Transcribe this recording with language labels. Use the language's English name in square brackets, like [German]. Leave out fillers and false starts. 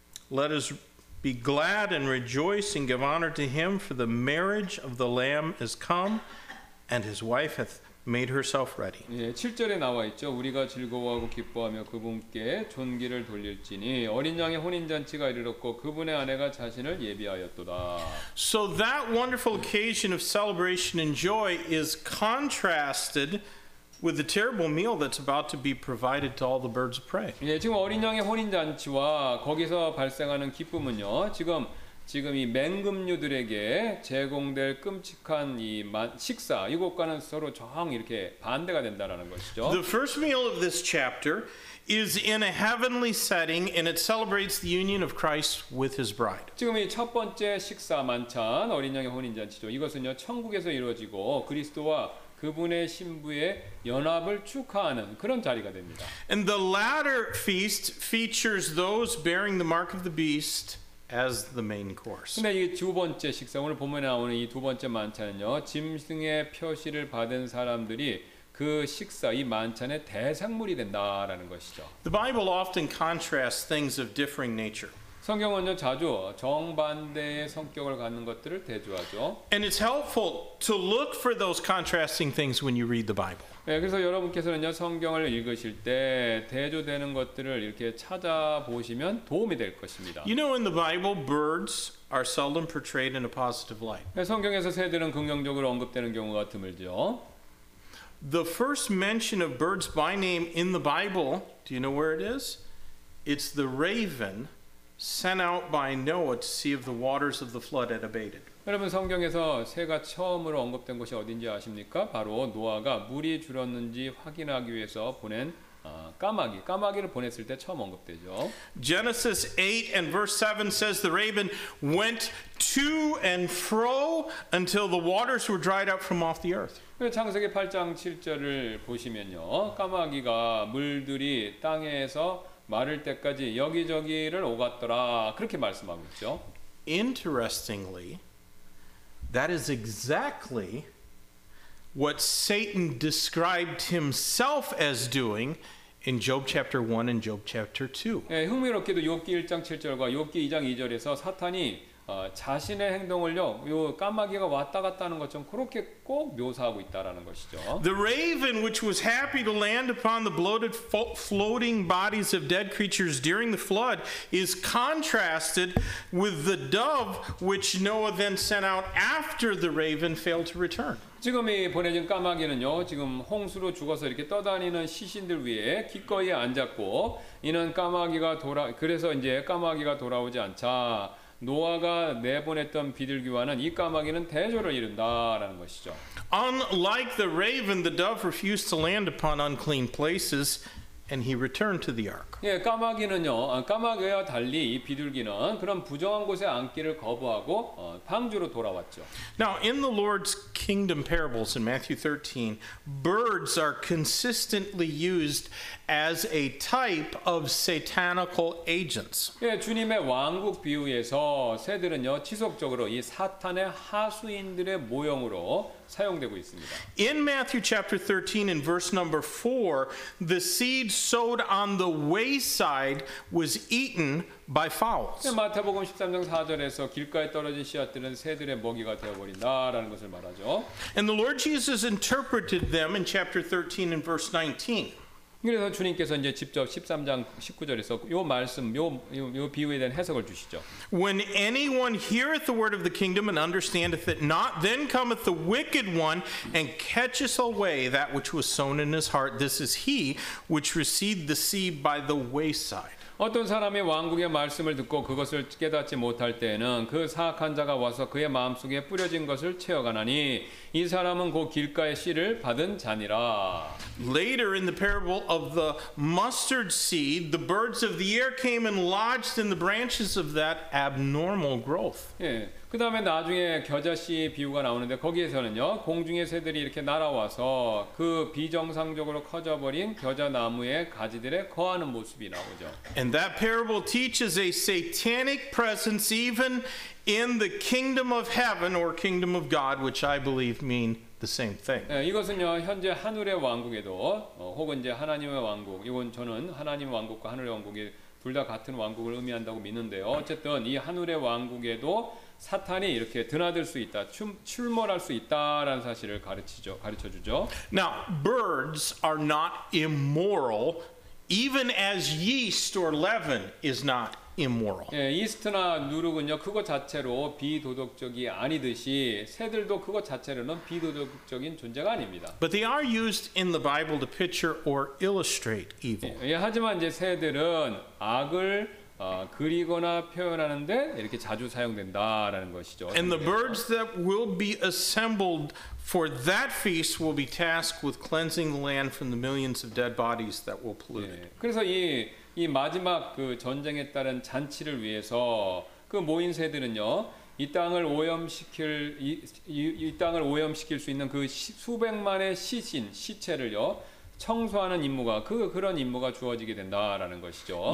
[English] Let us be glad and rejoice and give honor to him, for the marriage of the Lamb is come, and his wife hath made herself ready. [Korean] 예, 7절에 나와 있죠. 우리가 즐거워하고 기뻐하며 그분께 존귀를 돌릴지니 어린 양의 혼인 잔치가 이르렀고 그분의 아내가 자신을 예비하였도다. [English] So that wonderful occasion of celebration and joy is contrasted with the terrible meal that's about to be provided to all the birds of prey. [Korean] 예, 지금 어린 양의 혼인 잔치와 거기서 발생하는 기쁨은요. 지금 이 맹금류들에게 제공될 끔찍한 이 식사 이것과는 서로 정 이렇게 반대가 된다라는 것이죠. [English] The first meal of this chapter is in a heavenly setting and it celebrates the union of Christ with his bride. [Korean] 지금 이 첫 번째 식사 만찬 어린 양의 혼인 잔치죠. 이것은요 천국에서 이루어지고 그리스도와 그분의 신부의 연합을 축하하는 그런 자리가 됩니다. [English] And the latter feast features those bearing the mark of the beast as the main course. [Korean] 근데 이 두 번째 식사 오늘 본문에 나오는 이 두 번째 만찬은요. 짐승의 표시를 받은 사람들이 그 식사 이 만찬의 대상물이 된다라는 것이죠. [English] The Bible often contrasts things of differing nature. [Korean] 성경은요 자주 정반대의 성격을 갖는 것들을 대조하죠. [English] And it's helpful to look for those contrasting things when you read the Bible. [Korean] 예, 그래서 여러분께서는요 성경을 읽으실 때 대조되는 것들을 이렇게 찾아보시면 도움이 될 것입니다. [English] You know, in the Bible, birds are seldom portrayed in a positive light. [Korean] 예, 성경에서 새들은 긍정적으로 언급되는 경우가 드물죠. [English] The first mention of birds by name in the Bible, do you know where it is? It's the raven sent out by Noah to see if the waters of the flood had abated. [Korean] 여러분 성경에서 새가 처음으로 언급된 곳이 어딘지 아십니까? 바로 노아가 물이 줄었는지 확인하기 위해서 보낸 까마귀를 보냈을 때 처음 언급되죠. [English] Genesis 8 and verse 7 says the raven went to and fro until the waters were dried up from off the earth. [Korean] 창세기 8장 7절을 보시면요. 까마귀가 물들이 땅에서 마를 때까지 여기저기를 오갔더라. 그렇게 말씀하고 있죠. [English] Interestingly, that is exactly what Satan described himself as doing in Job chapter 1 and Job chapter 2. [Korean] 예, 흥미롭게도 욥기 1장 7절과 욥기 2장 2절에서 사탄이 자신의 행동을요, 요 까마귀가 왔다 갔다 하는 것처럼 그렇게 꼭 묘사하고 있다라는 것이죠. [English] The raven, which was happy to land upon the bloated, floating bodies of dead creatures during the flood, is contrasted with the dove, which Noah then sent out after the raven failed to return. [Korean] 지금 이 보내진 까마귀는요, 지금 홍수로 죽어서 이렇게 떠다니는 시신들 위에 기꺼이 앉았고, 이는 까마귀가 돌아, 그래서 이제 까마귀가 돌아오지 않자. 노아가 내보냈던 비둘기와는 이 까마귀는 대조를 이룬다라는 것이죠. [English] Unlike the raven, the dove refused to land upon unclean places, and he returned to the ark. [Korean] 예, 까마귀는요. 까마귀와 달리 이 비둘기는 그런 부정한 곳에 앉기를 거부하고 방주로 돌아왔죠. [English] Now, in the Lord's kingdom parables in Matthew 13, birds are consistently used as a type of satanical agents. [Korean] 예, 주님의 왕국 비유에서 새들은요 지속적으로 이 사탄의 하수인들의 모형으로 사용되고 있습니다. [English] In Matthew chapter 13 in verse number 4, the seed sowed on the wayside was eaten by fowls. [Korean] 마태복음 13장 4절에서 길가에 떨어진 씨앗들은 새들의 먹이가 되어 버린다라는 것을 말하죠. [English] And the Lord Jesus interpreted them in chapter 13 in verse 19. [Korean] 그래서 주님께서 이제 직접 13장 19절에서 요 말씀 요 비유에 대한 해석을 주시죠. [English] When anyone heareth the word of the kingdom and understandeth it not, then cometh the wicked one and catcheth away that which was sown in his heart. This is he which received the seed by the wayside. [Korean] 어떤 사람이 왕국의 말씀을 듣고 그것을 깨닫지 못할 때에는 그 사악한 자가 와서 그의 마음속에 뿌려진 것을 채워가나니 이 사람은 그 길가의 씨를 받은 자니라. [English] Later in the parable of the mustard seed, the birds of the air came and lodged in the branches of that abnormal growth. [Korean] 예. 그 다음에 나중에 겨자씨 비유가 나오는데 거기에서는요 공중의 새들이 이렇게 날아와서 그 비정상적으로 커져버린 겨자나무의 가지들에 거하는 모습이 나오죠. [English] And that parable teaches a satanic presence even in the kingdom of heaven or kingdom of God, which I believe mean the same thing. [Korean] 예, 이것은요 현재 하늘의 왕국에도 혹은 이제 하나님의 왕국, 이건 저는 하나님 왕국과 하늘의 왕국이 둘 다 같은 왕국을 의미한다고 믿는데요. 어쨌든 이 하늘의 왕국에도 사탄이 이렇게 드나들 수 있다, 출몰할 수 있다라는 사실을 가르쳐 주죠. [English] Now, birds are not immoral, even as yeast or leaven is not immoral. [Korean] 예, 이스트나 누룩은요, 그것 자체로 비도덕적이 아니듯이 새들도 그것 자체로는 비도덕적인 존재가 아닙니다. [English] But they are used in the Bible to picture or illustrate evil. [Korean] 예, 하지만 이제 새들은 악을 그리거나 표현하는데 이렇게 자주 사용된다라는 것이죠. [English] And the birds that will be assembled for that feast will be tasked with cleansing the land from the millions of dead bodies that will pollute. [Korean] 예, 그래서 이 마지막 그 전쟁에 따른 잔치를 위해서 그 모인 새들은요 이 땅을 오염시킬 수 있는 그 수백만의 시신 시체를요. 청소하는 임무가 그런 임무가 주어지게 된다라는 것이죠.